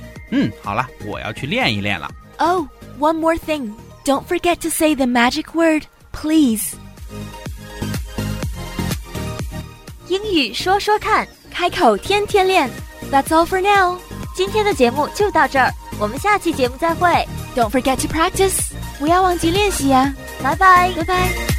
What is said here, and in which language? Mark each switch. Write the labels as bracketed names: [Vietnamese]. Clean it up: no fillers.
[Chinese] 嗯，好了，我要去练一练了。 [English] Oh, one more thing. Don't forget to say the magic word, please. [Chinese] 英语说说看，开口天天练。 [English] That's all for now. [Chinese] 今天的节目就到这儿，我们下期节目再会。 [English] Don't forget to practice， [Chinese] 不要忘记练习呀。拜拜，拜拜。